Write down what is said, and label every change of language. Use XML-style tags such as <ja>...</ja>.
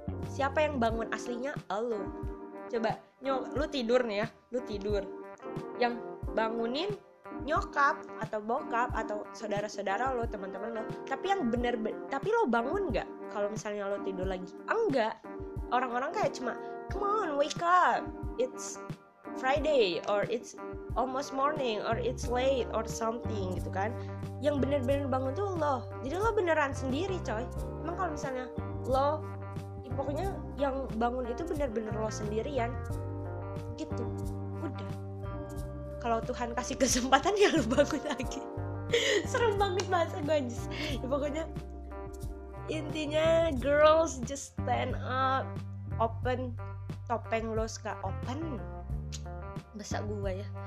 <id>Siapa yang bangun aslinya? Lo. Coba lo tidur nih ya, lo tidur. Yang bangunin nyokap atau bokap atau saudara-saudara lo, teman-teman lo. Tapi yang tapi lo bangun enggak kalau misalnya lo tidur lagi? Enggak. Orang-orang kayak cuma,</id> <en>"Come on, wake up. It's Friday or it's almost morning or it's late or something,"</en> <id>gitu kan. Yang benar-benar bangun tuh lo. Jadi lo beneran sendiri, coy. Emang kalau misalnya lo, pokoknya yang bangun itu benar-benar lo sendirian gitu. Udah. Kalau Tuhan kasih kesempatan ya lo bangun lagi. Serem banget bahasa gue anjir. Ya, pokoknya intinya</id> <en>girls just stand up,</en> <id>open topeng lo, suka open. Besar gue ya.</id>